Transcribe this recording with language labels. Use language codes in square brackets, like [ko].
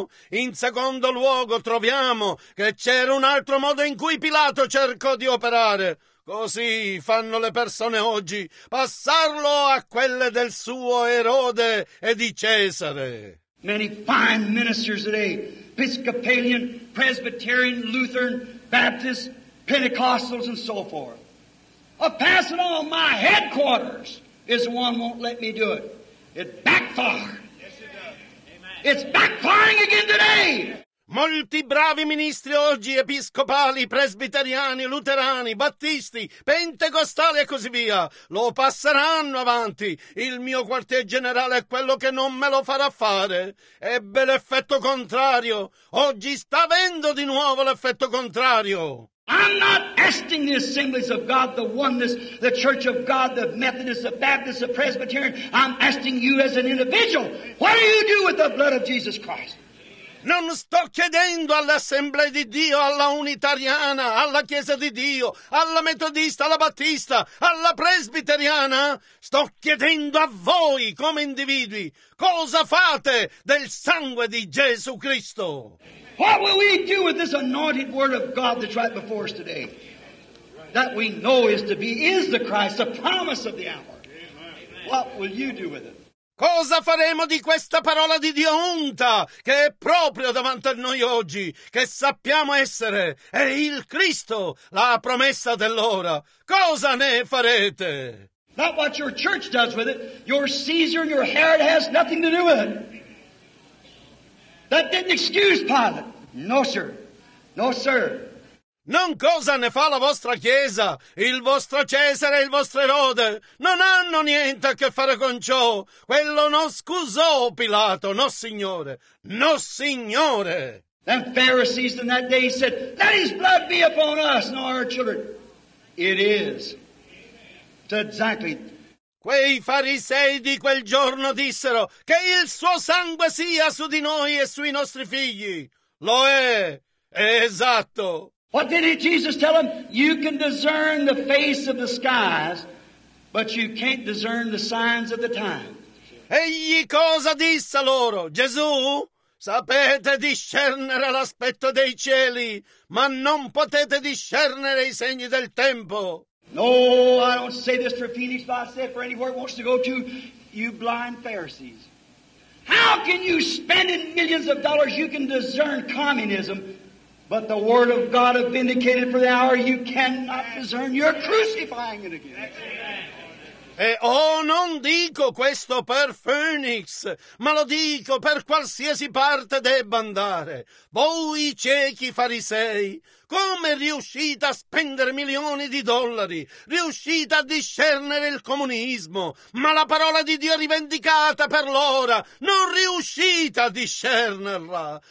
[it] In secondo luogo, troviamo che c'era un altro modo in cui Pilato cercò di operare. Così fanno le persone oggi, passarlo a quelle del suo Erode e di Cesare. [en] Many fine ministers today, Episcopalian, Presbyterian, Lutheran, Baptist, Pentecostals, and so forth. A pass it on, my headquarters is the one who won't let me do it. It backfired. Yes, it does. Amen. It's backfiring again today. [it] Molti bravi ministri oggi, episcopali, presbiteriani, luterani, battisti, pentecostali e così via, lo passeranno avanti. Il mio quartier generale è quello che non me lo farà fare. Ebbe l'effetto contrario. Oggi sta avendo di nuovo l'effetto contrario. [en] I'm not asking the assemblies of God, the oneness, the church of God, the Methodist, the Baptist, the Presbyterian. I'm asking you as an individual, what do you do with the blood of Jesus Christ? [it] Non sto chiedendo all'assemblea di Dio, alla unitariana, alla chiesa di Dio, alla metodista, alla battista, alla presbiteriana. Sto chiedendo a voi come individui, cosa fate del sangue di Gesù Cristo? [en] What will we do with this anointed word of God that's right before us today? that we know is to be is the Christ, the promise of the hour. Amen. What will you do with it? [it] Cosa faremo di questa parola di Dio unta che è proprio davanti a noi oggi, che sappiamo essere, è il Cristo, la promessa dell'ora. Cosa ne farete? [en] Not what your church does with it. Your Caesar and your Herod has nothing to do with it. That didn't excuse Pilate. No, sir. No, sir. [it] Non cosa ne fa la vostra Chiesa, il vostro Cesare e il vostro Erode. Non hanno niente a che fare con ciò. Quello non scusò Pilato. No, signore. No, signore. [en] The Pharisees in that day said, let his blood be upon us and our children. It is. Exactly. [it] Quei farisei di quel giorno dissero che il suo sangue sia su di noi e sui nostri figli. Lo è. È esatto. [en] What did Jesus tell them? You can discern the face of the skies, but you can't discern the signs of the time. [it] Egli cosa disse loro? Gesù? Sapete discernere l'aspetto dei cieli, ma non potete discernere i segni del tempo. [en] No, I don't say this for Phoenix, but I say it for anywhere it wants to go to, you blind Pharisees. How can you spend in millions of dollars, you can discern communism, but the word of God have vindicated for the hour, you cannot discern, you're crucifying it again. [it] E non dico questo per Phoenix, ma lo dico per qualsiasi parte debba andare. Voi ciechi farisei, come riuscite a spendere milioni di dollari? Riuscite a discernere il comunismo, ma la parola di Dio rivendicata per l'ora, non riuscite a discernerla.